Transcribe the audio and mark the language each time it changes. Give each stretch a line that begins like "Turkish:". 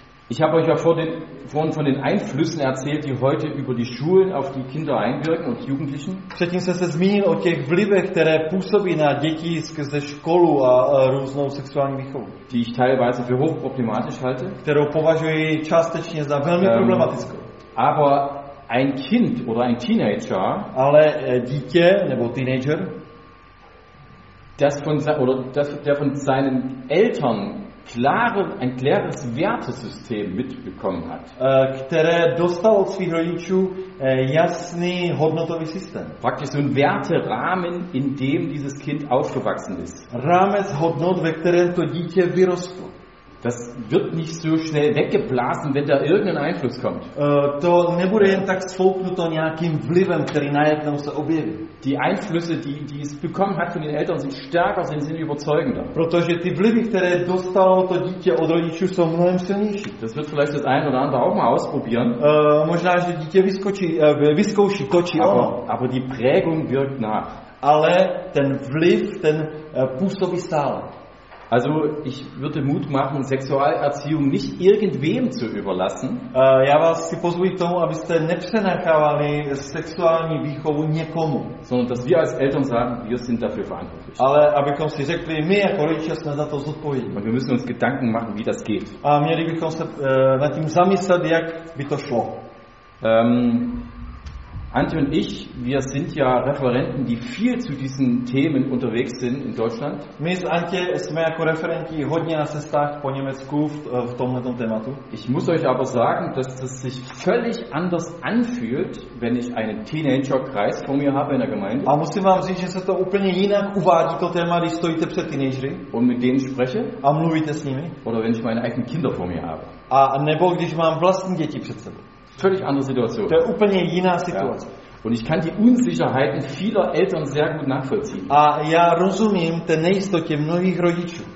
German: Ich habe euch ja vorhin von den Einflüssen erzählt, die heute über die Schulen auf die Kinder einwirken und Jugendlichen.
Czech: Předtím jsem se zmínil o těch vlivech, které působí na děti skrze školu a různou sexuální výchovu.
German: Die ich teilweise für hochproblematisch halte.
Czech: Kterou považuji částečně za velmi problematickou.
German: Aber ein Kind oder ein Teenager.
Czech: Ale dítě nebo teenager.
German: Der von seinen Eltern ein klares Wertesystem mitbekommen hat.
Czech: Které dostal od svých rodičů jasný hodnotový systém.
German: Praktisch so ein Werterahmen, in dem dieses Kind aufgewachsen ist.
Czech: Rámec hodnot, ve kterém to dítě vyrostlo.
German: Das wird nicht so schnell weggeblasen, wenn da irgendein Einfluss kommt.
Czech: To nebude jen tak sfouknuto nějakým vlivem, který najednou se objeví.
German: Die Einflüsse, die es bekommen hat von den Eltern, sind stärker, sind überzeugender.
Czech: Protože ty vlivy, které dostalo to dítě od rodičů, jsou mnohem silnější.
German: Das wird vielleicht das ein oder andere auch mal ausprobieren.
Czech: Možná, že dítě vyzkouší to, či ono.
German: Aber die Prägung wirkt nach.
Czech: Ale ten vliv, ten působí stále.
German: Also ich würde Mut machen, Sexualerziehung nicht irgendwem zu überlassen.
Czech: Já vás si pozvuji k tomu, abyste nepřenechávali sexuální výchovu někomu.
German: Sondern dass wir als Eltern sagen, wir sind dafür verantwortlich.
Czech: Ale abychom si řekli, my jako rodiče jsme za to zodpovědní.
German: Und wir müssen uns Gedanken machen, wie das geht.
Czech: A měli bychom se nad tím zamyslet, jak by to šlo.
German: Antje und ich, wir sind ja Referenten, die viel zu diesen Themen unterwegs sind in Deutschland.
Czech: My s Antje jsme jako referenti hodně na cestách po Německu v tomhletom tématu.
German: Ich muss euch aber sagen, dass es sich völlig anders anfühlt, wenn ich einen Teenager-Kreis vor mir habe in der Gemeinde.
Czech: A musím vám říct, že se to úplně jinak uvádí to téma, když stojíte před teenagery.
German: Und mit denen spreche.
Czech: A mluvíte s nimi.
German: Oder wenn ich meine eigenen Kinder vor mir habe.
Czech: A nebo když mám vlastní děti před sebou.
German: Völlig andere Situation.
Czech: Der úplně jiná situace.
German: Und ich kann die Unsicherheiten vieler Eltern sehr gut nachvollziehen.
Czech: A já rozumím té nejistotě mnohých rodičů.